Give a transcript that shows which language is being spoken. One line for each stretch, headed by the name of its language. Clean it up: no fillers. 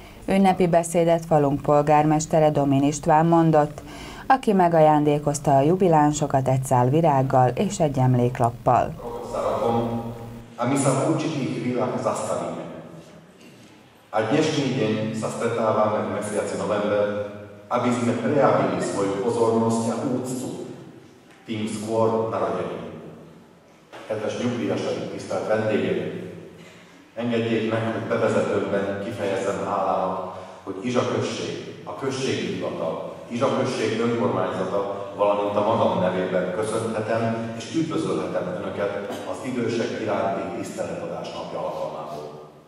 Hungarian: Ünnepi beszédet falunk polgármestere Domin István mondott, aki megajándékozta a jubilánsokat egy szál virággal és egy emléklappal.
Slovak: A mi sa v určitých chvíľach zastavíme. A dnešný deň sa stretávame v mesiaci november, aby sme prejavili svoju pozornosť a úctu tým skôr narodeným.
Hungarian: Kedves nyugdíjasai, tisztelt vendégek, engedjék meg, hogy bevezetőben kifejezzem hálát, hogy Izsa község, a községi hivatal, Izsa község önkormányzata, valamint a magam nevében köszönhetem és üdvözölhetem Önöket az idősek iránti tiszteletadás napja alkalmából.